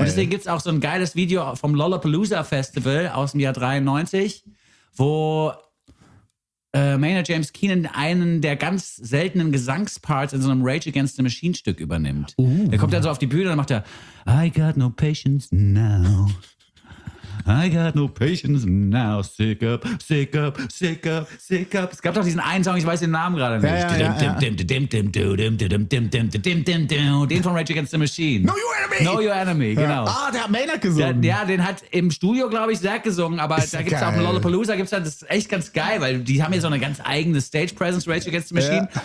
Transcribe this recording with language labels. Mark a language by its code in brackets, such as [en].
[de] Und deswegen gibt es auch so ein geiles Video vom Lollapalooza-Festival aus dem Jahr 93, wo Maynard James Keenan einen der ganz seltenen Gesangsparts in so einem Rage Against the Machine-Stück übernimmt. Er kommt dann so auf die Bühne und macht er [en] I got no patience now. I got no patience now. Sick up, sick up, sick up, sick up. [de] Es gab doch diesen einen Song, ich weiß den Namen gerade nicht. Den von Rage Against the Machine. [en] Know Your Enemy. [de] Know Your Enemy, genau. Ah, der hat Maynard gesungen. Ja, den hat im Studio, glaube ich, Zack gesungen. Aber da gibt es auch Lollapalooza, gibt's dann, das ist echt ganz geil, weil die haben ja so eine ganz eigene Stage-Presence, Rage Against the Machine.